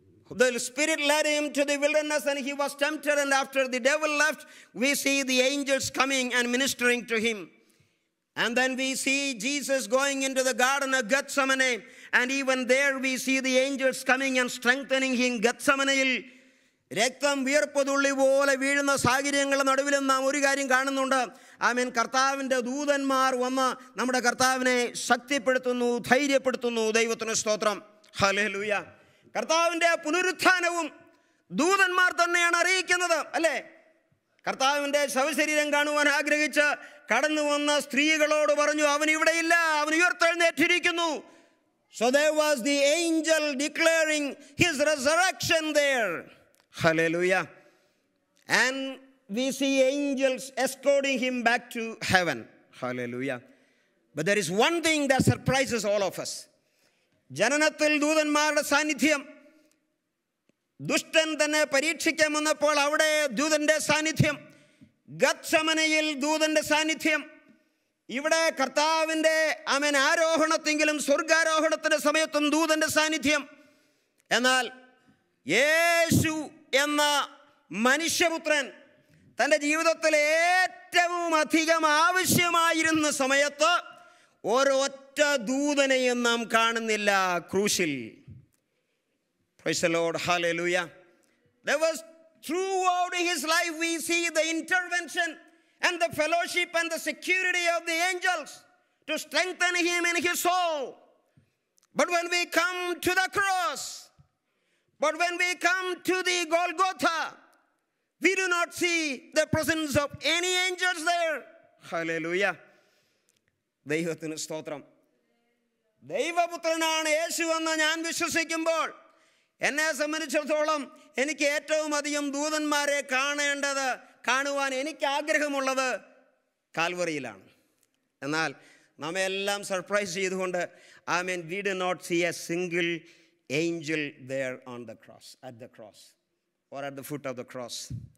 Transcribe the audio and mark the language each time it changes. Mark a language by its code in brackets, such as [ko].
[en] The Spirit led him to the wilderness and he was tempted, and after the devil left, we see the angels coming and ministering to him. And then we see Jesus going into the Garden of Gethsemane, and even there we see the angels coming and strengthening him. [ml] Gethsemane-il രക്തം വിയർപ്പതുള്ളി പോലെ വീഴുന്ന സാഹചര്യങ്ങളുടെ നടുവിലും നാം ഒരു കാര്യം കാണുന്നുണ്ട്. I mean, കർത്താവിൻ്റെ ദൂതന്മാർ വന്ന് നമ്മുടെ കർത്താവിനെ ശക്തിപ്പെടുത്തുന്നു, ധൈര്യപ്പെടുത്തുന്നു. ദൈവത്തിന് സ്തോത്രം. ഹല്ലേലൂയ. കർത്താവിൻ്റെ പുനരുത്ഥാനവും ദൂതന്മാർ തന്നെയാണ് അറിയിക്കുന്നത്, അല്ലേ? കർത്താവിൻ്റെ ശവശരീരം കാണുവാൻ ആഗ്രഹിച്ച് കടന്നു വന്ന സ്ത്രീകളോട് പറഞ്ഞു, അവൻ ഇവിടെയില്ല, അവൻ ഉയർത്തെഴുന്നേറ്റിരിക്കുന്നു. [en] So there was the angel declaring his resurrection there. Hallelujah. And we see angels escorting him back to heaven. Hallelujah. But there is one thing that surprises all of us. [ml] ജനനത്തിൽ ദൂതന്മാരുടെ സാന്നിധ്യം, ദുഷ്ടൻ തന്നെ പരീക്ഷിക്കാമെന്നപ്പോൾ അവിടെ ദൂതന്റെ സാന്നിധ്യം, ഗത്സമനയിൽ ദൂതന്റെ സാന്നിധ്യം, ഇവിടെ കർത്താവിൻ്റെ അവൻ ആരോഹണത്തെങ്കിലും സ്വർഗാരോഹണത്തിൻ്റെ സമയത്തും ദൂതന്റെ സാന്നിധ്യം. എന്നാൽ യേശു എന്ന മനുഷ്യപുത്രൻ തൻ്റെ ജീവിതത്തിൽ ഏറ്റവും അധികം ആവശ്യമായിരുന്ന സമയത്ത് ഒരൊറ്റ ദൂതനെയും നാം കാണുന്നില്ല ക്രൂശിൽ. [en] Praise the Lord, hallelujah. There was throughout his life we see the intervention and the fellowship and the security of the angels to strengthen him in his soul. But when we come to the cross, but when we come to the Golgotha, we do not see the presence of any angels there. [ml] Hallelujah. ദൈവത്തിനു സ്തോത്രം. ദൈവപുത്രനാണ് യേശു എന്ന് ഞാൻ വിശ്വസിക്കുമ്പോൾ എന്നെ സംബന്ധിച്ചിടത്തോളം എനിക്ക് ഏറ്റവും അധികം ദൂതന്മാരെ കാണേണ്ടത്, കാണുവാൻ എനിക്ക് ആഗ്രഹമുള്ളത് കാൽവറിയിലാണ്. എന്നാൽ നമ്മെല്ലാം സർപ്രൈസ് ചെയ്തുകൊണ്ട്, [en] I mean, we do not see a single angel there on the cross, at the cross or at the foot of the cross.